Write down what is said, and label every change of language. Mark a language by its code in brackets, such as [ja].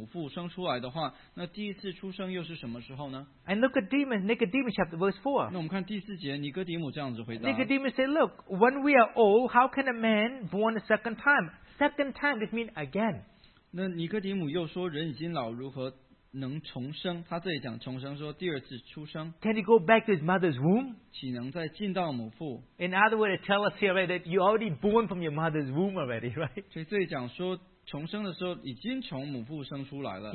[zh] 如果我们解释说重生是从这个母腹生出来的话，那第一次出生又是什么时候呢？ [en] And look at demons, Nicodemus chapter verse 4. [zh] 那我们看第四节，尼哥底母这样子回答。 [en] Nicodemus said, look, when we are old, how can a man born a second time? Second time, this means again. [zh] 那尼哥底母又说，人已经老，如何能重生？他这里讲重生说第二次出生。 [en] Can he go back to his mother's womb? [zh] 岂能再进到母腹？ [en] In other words, it tells us here, right, that you're already born from your mother's womb already, right? [zh] 所以这里讲说, 重生的时候已经从母腹生出来了。